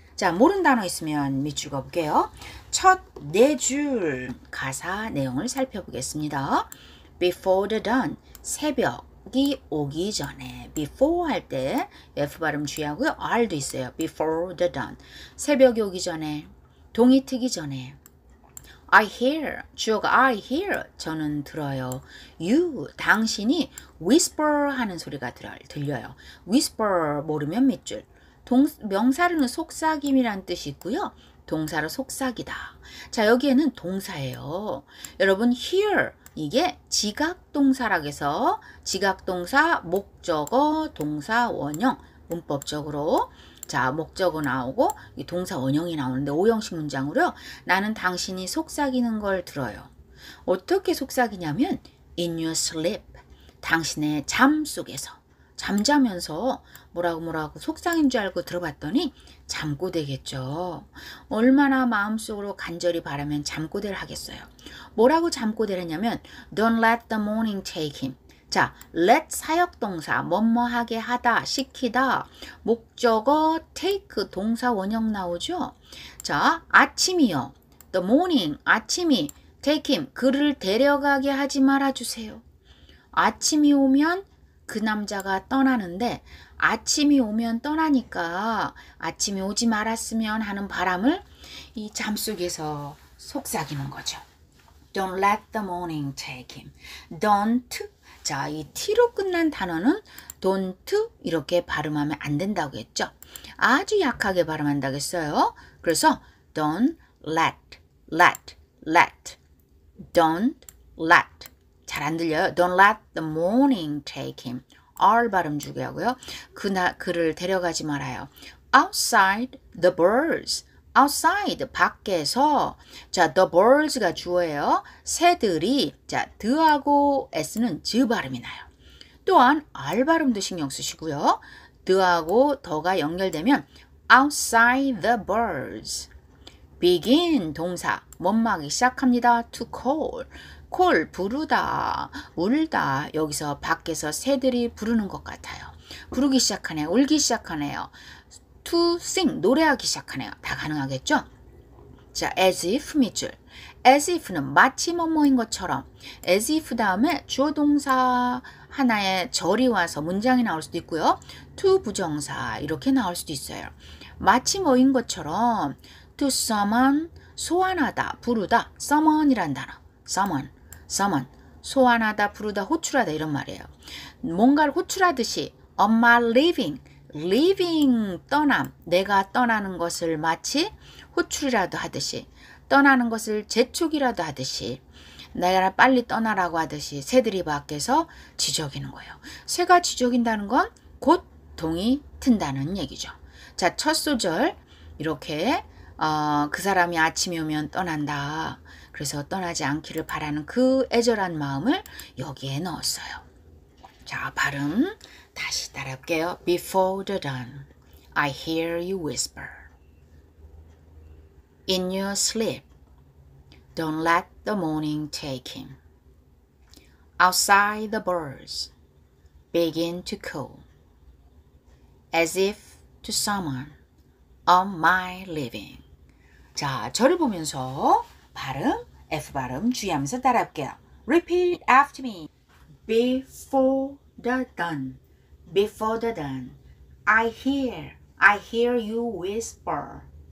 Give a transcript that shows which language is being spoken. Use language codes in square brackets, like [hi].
[ko] 자, 모르는 단어 있으면 밑줄가 볼게요. 첫 네 줄 가사 내용을 살펴보겠습니다. [en] Before the dawn, [ko] 새벽이 오기 전에. Before 할 때 F 발음 주의하고요. R도 있어요. Before the dawn, 새벽이 오기 전에, 동이 트기 전에. [en] I hear, [ko] 주어가 [en] I hear, [ko] 저는 들어요. You, 당신이 whisper 하는 소리가 들려요. Whisper 모르면 밑줄. 명사로는 속삭임이란 뜻이 있고요. 동사로 속삭이다. 자, 여기에는 동사예요. 여러분, hear, 이게 지각동사라고 해서 지각동사, 목적어, 동사, 원형, 문법적으로. 자, 목적어 나오고 동사 원형이 나오는데 5형식 문장으로요. 나는 당신이 속삭이는 걸 들어요. 어떻게 속삭이냐면 [en] in your sleep, [ko] 당신의 잠 속에서. 잠자면서 뭐라고 속삭인 줄 알고 들어봤더니 잠꼬대겠죠. 얼마나 마음속으로 간절히 바라면 잠꼬대를 하겠어요. 뭐라고 잠꼬대를 했냐면 [en] don't let the morning take him. [ko] 자, let 사역동사, 뭐뭐하게 하다, 시키다, 목적어 take, 동사 원형 나오죠. 자, 아침이요. [en] The morning, [ko] 아침이, [en] take him, [ko] 그를 데려가게 하지 말아주세요. 아침이 오면 그 남자가 떠나는데 아침이 오면 떠나니까 아침이 오지 말았으면 하는 바람을 이 잠속에서 속삭이는 거죠. [en] Don't let the morning take him. Don't. [ko] 자, 이 T로 끝난 단어는 don't 이렇게 발음하면 안 된다고 했죠. 아주 약하게 발음한다고 했어요. 그래서 [en] don't let. Don't let. [ko] 잘 안 들려요. [en] Don't let the morning take him. [ko] R 발음 주고요. 그를 데려가지 말아요. [en] Outside the birds. [ko] Outside, 밖에서. 자, the birds가 주어예요. 새들이. 자, the하고 s는 z 발음이 나요. 또한 r 발음도 신경 쓰시고요. the하고 the가 연결되면 outside the birds. begin, 동사. 뭔막이 시작합니다. to call. call, 부르다, 울다. 여기서 밖에서 새들이 부르는 것 같아요. 부르기 시작하네요. 울기 시작하네요. [en] To sing, [ko] 노래하기 시작하네요. 다 가능하겠죠? 자, as if 밑줄. As if는 마치 뭐뭐인 것처럼. As if 다음에 주어 동사 하나에 절이 와서 문장이 나올 수도 있고요. To 부정사 이렇게 나올 수도 있어요. 마치 뭐인 것처럼 to summon, 소환하다, 부르다. summon이란 단어. summon. 소환하다, 부르다, 호출하다 이런 말이에요. 뭔가를 호출하듯이 [en] on my living. [ko] Leaving, 떠남. 내가 떠나는 것을 마치 호출이라도 하듯이, 떠나는 것을 재촉이라도 하듯이, 내가 빨리 떠나라고 하듯이 새들이 밖에서 지저귀는 거예요. 새가 지저귀는 건 곧 동이 튼다는 얘기죠. 자, 첫 소절 이렇게 그 사람이 아침이 오면 떠난다. 그래서 떠나지 않기를 바라는 그 애절한 마음을 여기에 넣었어요. 자, 발음 다시 따라해볼게요. [en] Before the dawn, I hear you whisper. In your sleep, don't let the morning take him. Outside the birds begin to call, as if to summon on my living. [ko] 자, 저를 보면서 발음, F 발음 주의하면서 따라해볼게요. [en] Repeat after me. Before the dawn. Before the dawn, I hear you whisper.